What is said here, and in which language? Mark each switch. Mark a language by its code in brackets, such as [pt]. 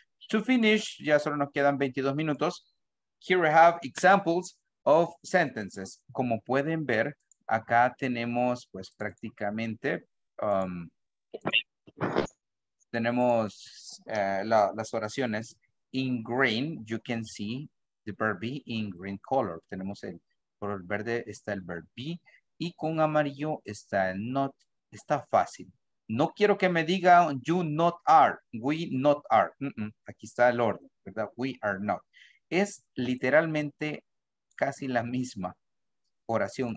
[en] To finish, [es] ya solo nos quedan 22 minutos. [en] Here we have examples of sentences. [es] Como pueden ver, acá tenemos, pues, prácticamente, tenemos las oraciones. [en] In green, you can see the verb be in green color. [es] Tenemos el color verde, está el verb be. Y con amarillo está el not. Está fácil. No quiero que me diga [en] you not are. We not are. [es] Mm-mm. Aquí está el orden, ¿verdad? [en] We are not. [es] Es literalmente casi la misma oración.